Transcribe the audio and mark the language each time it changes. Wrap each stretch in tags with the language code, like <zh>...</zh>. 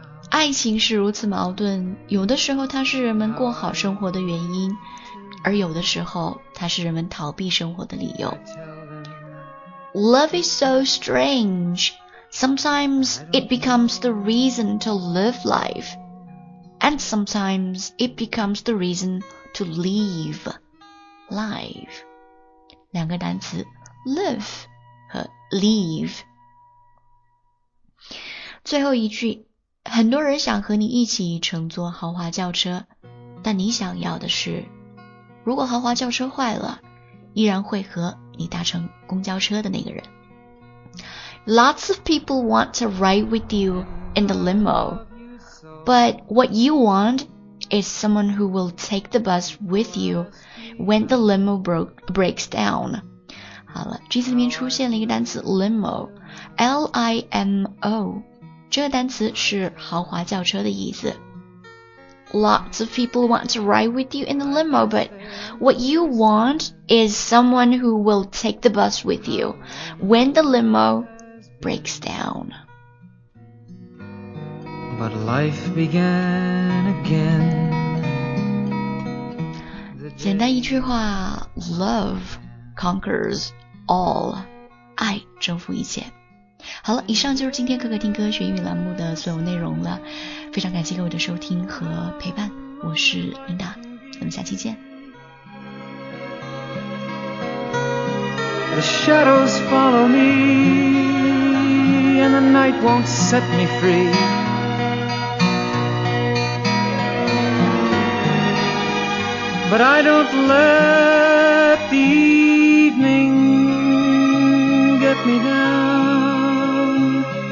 <zh>爱情是如此矛盾，有的时候它是人们过好生活的原因，而有的时候它是人们逃避生活的理由。</zh> <en>Love is so strange. Sometimes it becomes the reason to live life. And sometimes it becomes the reason to leave life.</en> <zh>两个单词 live 和 leave。最后一句，很多人想和你一起乘坐豪华轿车，但你想要的是如果豪华轿车坏了，依然会和你搭乘公交车的那个人。</zh> <en>Lots of people want to ride with you in the limo, but what you want is someone who will take the bus with you when the limo breaks down.</en> <zh>好了，句子里面出现了一个单词 limo, L-I-M-O, 这个单词是豪华轿车的意思。</zh> <en>Lots of people want to ride with you in the limo, but what you want is someone who will take the bus with you when the limo breaks down. But life began again.</en> <zh>简单一句话，</zh> <en>love conquers all.</en> <zh>爱征服一切。好了，以上就是今天可可听歌学英语栏目的所有内容了，非常感谢各位的收听和陪伴，我是琳达，咱们下期见。</zh> <en>The shadows follow me and the night won't set me free. But I don't let the evening get me down.</en>